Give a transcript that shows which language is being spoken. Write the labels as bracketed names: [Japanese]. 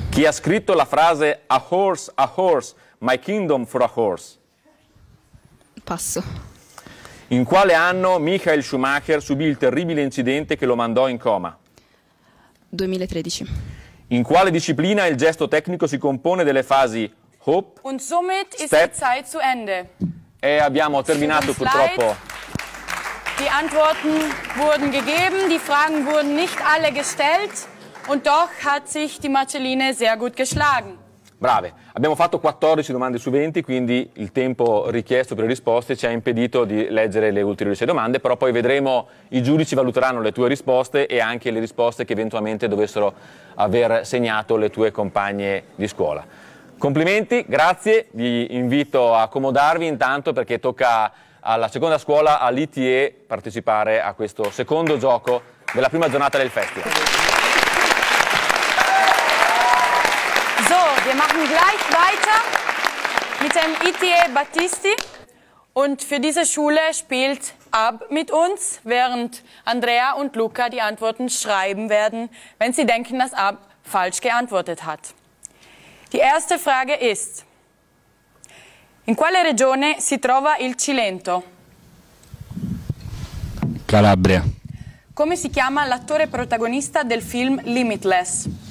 [Italian] Chi ha scritto la frase [English] a horse, my kingdom for a horse? [Italian] Passo. In quale anno Michael Schumacher subì il terribile incidente che lo mandò in coma? 2013. In quale disciplina il gesto tecnico si compone delle fasi hop, [German] und somit ist step, die Zeit zu Ende. [Italian] E abbiamo terminato purtroppo. [German] Die Antworten wurden gegeben, die Fragen wurden nicht alle gestellt und doch hat sich die Marceline sehr gut geschlagen. [Italian] Brave, abbiamo fatto 14 domande su 20, quindi il tempo richiesto per le risposte ci ha impedito di leggere le ulteriori 6 domande, però poi vedremo, i giudici valuteranno le tue risposte e anche le risposte che eventualmente dovessero aver segnato le tue compagne di scuola. Complimenti, grazie, vi invito a accomodarvi intanto perché tocca alla seconda scuola, all'ITE, partecipare a questo secondo gioco della prima giornata del festival. [German] Wir machen gleich weiter mit dem ITE Battisti und für diese Schule spielt Ab mit uns, während Andrea und Luca die Antworten schreiben werden, wenn sie denken, dass Ab falsch geantwortet hat. Die erste Frage ist, [Italian] In quale regione si trova il Cilento? Calabria. Come si chiama l'attore protagonista del film Limitless?